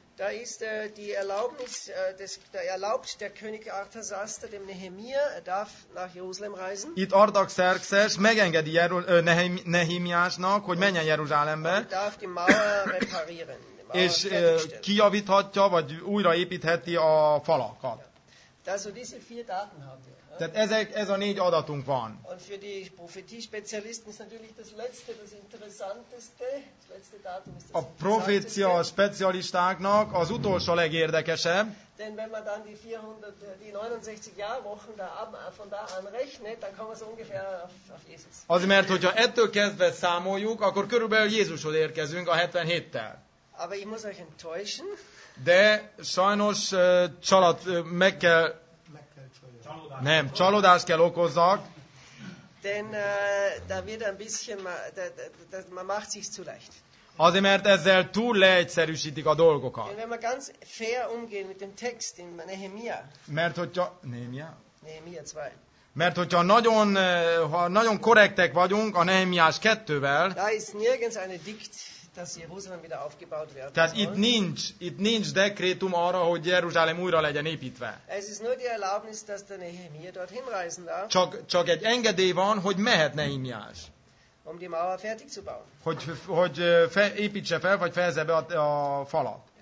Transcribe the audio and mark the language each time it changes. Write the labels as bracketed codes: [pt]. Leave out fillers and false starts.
[de] Da ist die Erlaubnis des der erlaubt der König Artaxerxes dem Nehemia, er darf nach Jerusalem reisen. [hu] Itt Artaxerxes megengedi Nehemiásnak, hogy menjen Jeruzsálembe. [de] Er darf die Mauer reparieren. [hu] És kijavíthatja vagy újraépítheti a falakat. [de] Also diese vier Daten haben wir. [hu] Tehát ezek, ez a négy adatunk van. [de] Und für die Prophetie-Spezialisten ist natürlich das letzte, das interessanteste. Das letzte Datum ist das [hu] a profécia specialistáknak az utolsó legérdekesebb. [de] Denn wenn man dann die 400, die 69 Jahrwochen von da an rechnet, dann kommen wir so ungefähr auf Jesus. [hu] Azért, mert hogyha ettől kezdve számoljuk, akkor körülbelül Jézushoz érkezünk a 77-tel. [de] Aber ich muss euch enttäuschen. [hu] De sajnos csalat meg kell. Nem, csalódást kell okozzak. [de] Denn da wird ein bisschen man macht sich zu leicht. [hu] Azért, mert ezzel túl leegyszerűsítik a dolgokat. [de] Wenn man ganz fair umgeht mit dem Text in Nehemia. [hu] Mert hogyha Nehemia? Nehemia 2. Mert hogyha nagyon korrektek vagyunk a Nehemiás 2-vel. [de] Da ist nirgends eine Dikt, dass Jerusalem wieder aufgebaut werden soll. [hu] Tehát itt nincs dekrétum arra, hogy Jeruzsálem újra legyen építve. [de] Es ist nur die Erlaubnis, dass der Nehemia dorthin reisen darf. [hu] Csak egy engedély van, hogy mehet Nehemiás. [de] Um die Mauer fertig zu bauen. [hu] Hogy építse fel, vagy fejezze be a falat.